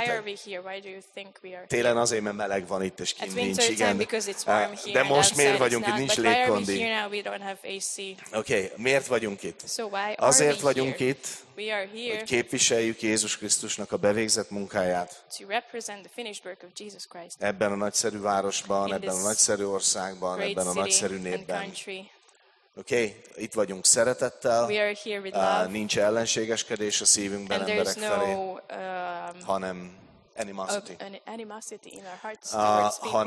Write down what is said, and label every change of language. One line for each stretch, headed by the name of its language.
English: Why are we here? Why do you think we are here?
Hungarian: Télen azért, mert meleg van itt, és kint nincs, igen.
English: Time, because it's warm here.
Hungarian: De most miért vagyunk itt? Nincs légkondi.
English: But why are we here now? We don't have AC.
Hungarian: Okay, miért vagyunk itt?
English: So why are
Hungarian: azért
English: we
Hungarian: vagyunk
English: here?
Hungarian: Itt.
English: We are here,
Hungarian: hogy képviseljük Jézus Krisztusnak a bevégzett munkáját.
English: To represent the finished work of Jesus Christ.
Hungarian: Ebben a nagyszerű városban, ebben a nagyszerű országban, ebben a nagyszerű népben. Okay, itt vagyunk szeretettel.
English: We are here with love.
Hungarian: Nincs ellenségeskedés a szívünkben
English: and
Hungarian: emberek
English: no,
Hungarian: felé, hanem animosity.
English: Animosity in our hearts.